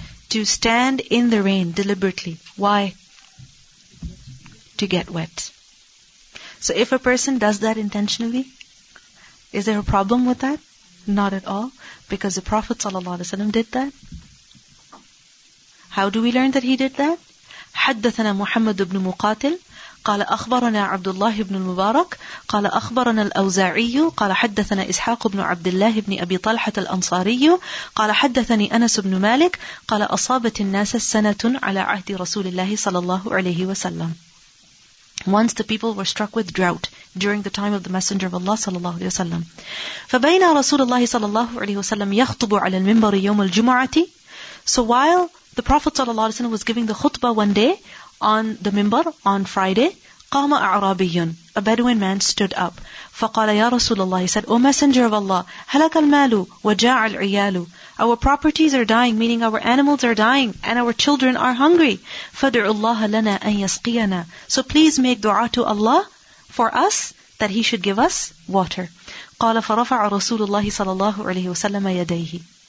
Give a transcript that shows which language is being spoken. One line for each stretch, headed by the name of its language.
English: To stand in the rain deliberately. Why? To get wet. So if a person does that intentionally, is there a problem with that? Not at all. Because the Prophet ﷺ did that. How do we learn that he did that?
Arabic: حدثنا محمد بن مقاتل قال أخبرنا عبد الله بن المبارك قال أخبرنا الأوزاعي قال حدثنا إسحاق بن عبد الله بن أبي طلحة الأنصاري قال حدثني أنس بن مالك قال أصابت الناس السنة على عهد رسول الله صلى الله عليه وسلم.
English: Once the people were struck with drought during the time of the Messenger of Allah sallallahu alaihi wasallam.
Arabic: فبينا رسول الله صلى الله عليه وسلم يخطب على المنبر يوم الجمعة.
English: So while the Prophet sallallahu alaihi wasallam was giving the khutbah one day on the minbar on Friday,
Arabic: قام أعرابي,
English: a Bedouin man stood up.
Arabic: فقال يا رسول الله,
English: he said, O Messenger of Allah,
Arabic: هلك المال وجاع العيال.
English: Our properties are dying, meaning our animals are dying and our children are hungry.
Arabic: فدعوا الله لنا أن يسقينا.
English: So please make dua to Allah for us that He should give us water.
Arabic: قال فرفع رسول الله صلى الله عليه وسلم يديه.